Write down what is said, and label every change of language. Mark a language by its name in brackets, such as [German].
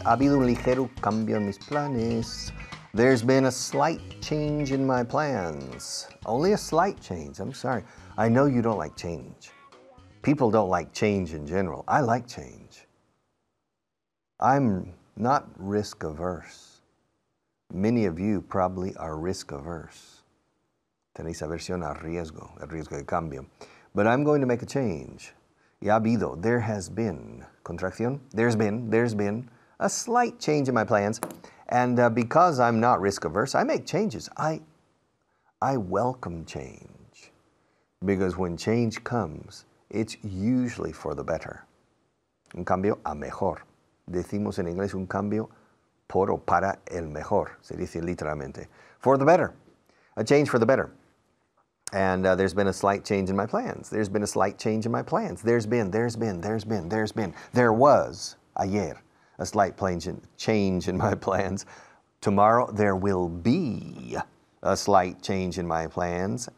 [Spanish] Ha habido un ligero cambio en mis planes. [English] There's been a slight change in my plans. Only a slight change, I'm sorry. I know you don't like change. People don't like change in general. I like change. I'm not risk averse. Many of you probably are risk averse. [Spanish] Tenéis aversión a riesgo, el riesgo de cambio. [English] But I'm going to make a change. Ya ha habido, there has been, contracción, there's been a slight change in my plans. And because I'm not risk averse, I make changes. I welcome change. Because when change comes, it's usually for the better. [Spanish] Un cambio a mejor. Decimos en inglés un cambio por o para el mejor. [English] Se dice literalmente. For the better. A change for the better. And there's been a slight change in my plans. There's been a slight change in my plans. There's been. There was, ayer, a slight change in my plans. Tomorrow, there will be a slight change in my plans.